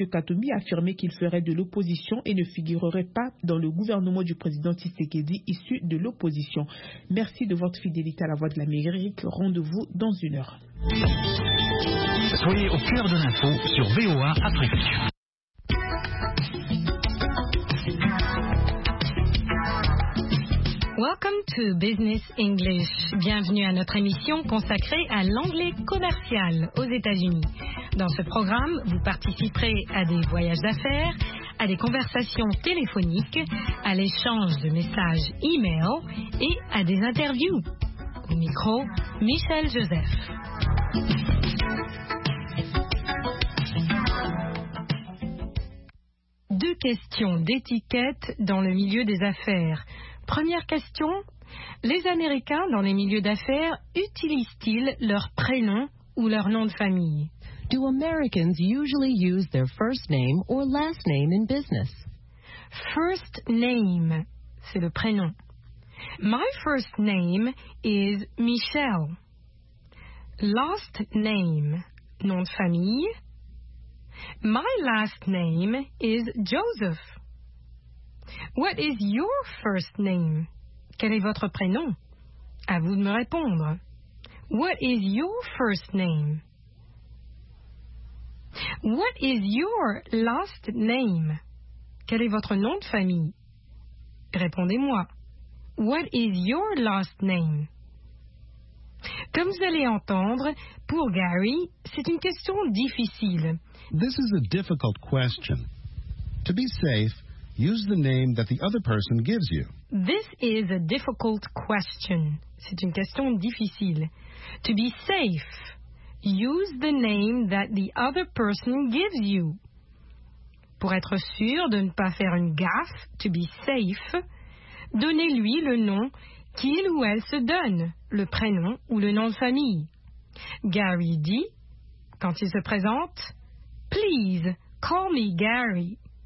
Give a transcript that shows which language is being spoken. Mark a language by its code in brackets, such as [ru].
[fr] Katumbi a affirmé qu'il ferait de l'opposition et ne figurerait pas dans le gouvernement du président Tshisekedi issu de l'opposition. Merci de votre fidélité à la Voix de l'Amérique. Rendez-vous dans une heure. Soyez au cœur de l'info sur VOA Afrique. [en] Welcome to Business English. [fr] Bienvenue à notre émission consacrée à l'anglais commercial aux États-Unis. Dans ce programme, vous participerez à des voyages d'affaires, à des conversations téléphoniques, à l'échange de messages e-mail et à des interviews. Au micro, Michel Joseph. Deux questions d'étiquette dans le milieu des affaires. Première question, les Américains dans les milieux d'affaires utilisent-ils leur prénom ou leur nom de famille? [en] Do Americans usually use their first name or last name in business? First name, [fr] c'est le prénom. [en] My first name is Michel. Last name, [fr] nom de famille. [en] My last name is Joseph. What is your first name? [fr] Quel est votre prénom? À vous de me répondre. [en] What is your first name? What is your last name? [fr] Quel est votre nom de famille? Répondez-moi. [en] What is your last name? [fr] Comme vous allez entendre, pour Gary, c'est une question difficile. [en] This is a difficult question. To be safe, use the name that the other person gives you. This is a difficult question. [fr] C'est une question difficile. [en] To be safe, use the name that the other person gives you. [fr] Pour être sûr de ne pas faire une gaffe, [en] to be safe, [fr] donnez-lui le nom qu'il ou elle se donne, le prénom ou le nom de famille. Gary dit, quand il se présente, [en] Please, call me Gary.